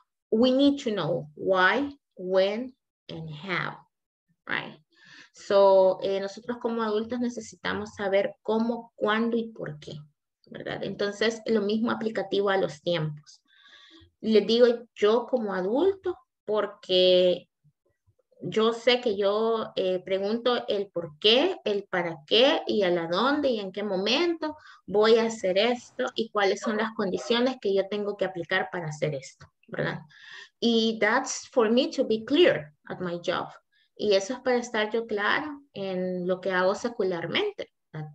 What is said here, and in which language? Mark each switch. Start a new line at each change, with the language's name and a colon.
English: We need to know why, when, and how. Right?
Spanish: So, nosotros como adultos necesitamos saber cómo, cuándo y por qué, ¿verdad? Entonces, lo mismo aplicativo a los tiempos. Les digo yo como adulto porque yo sé que yo pregunto el por qué, el para qué y el a dónde y en qué momento voy a hacer esto y cuáles son las condiciones que yo tengo que aplicar para hacer esto, ¿verdad?
English: Y that's for me to be clear at my job.
Spanish: Y eso es para estar yo claro en lo que hago secularmente, ¿verdad?